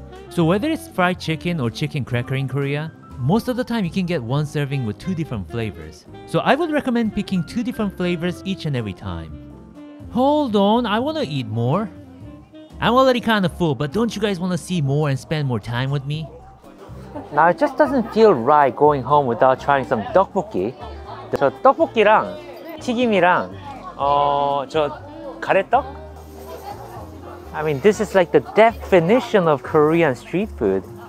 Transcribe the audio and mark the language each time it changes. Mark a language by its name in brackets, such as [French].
[English] So whether it's fried chicken or chicken cracker in Korea, most of the time you can get one serving with two different flavors. So I would recommend picking two different flavors each and every time. Hold on, I want to eat more. I'm already kind of full, but don't you guys want to see more and spend more time with me? Now it just doesn't feel right going home without trying some tteokbokki. [Korean] 저 떡볶이랑 튀김이랑 저 가래떡? [English] I mean, this is like the definition of Korean street food.